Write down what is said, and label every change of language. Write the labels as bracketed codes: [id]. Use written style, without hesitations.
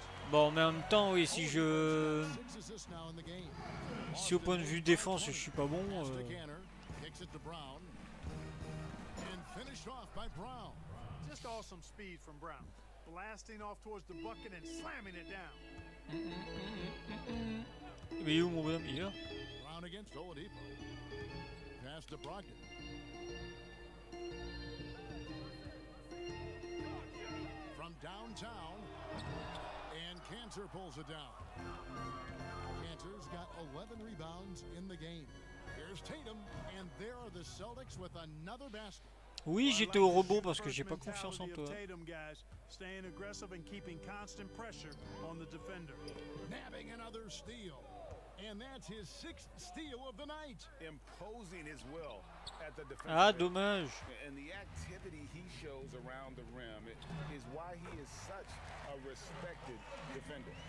[fr] Bon, mais en même temps, oui, si au point de vue défense, je suis pas bon. [en] Just awesome speed from Brown, blasting off towards the bucket and slamming it down. [fr] Mais où mon bonhomme, il est là? [en] Brown against Oladipo. Pass to Brogdon. From downtown, and Cantor pulls it down. Cantor's got 11 rebounds in the game. Here's Tatum, and there are the Celtics with another basket. [fr] Oui, j'étais au rebond parce que j'ai pas confiance en toi. [en] Tatum, guys, staying aggressive and keeping constant pressure on the defender. Nabbing another steal. And that's his sixth steal of the night. Imposing his will at the defense. [fr] Ah, dommage. [en] And the activity he shows around the rim is why he is such a respected defender.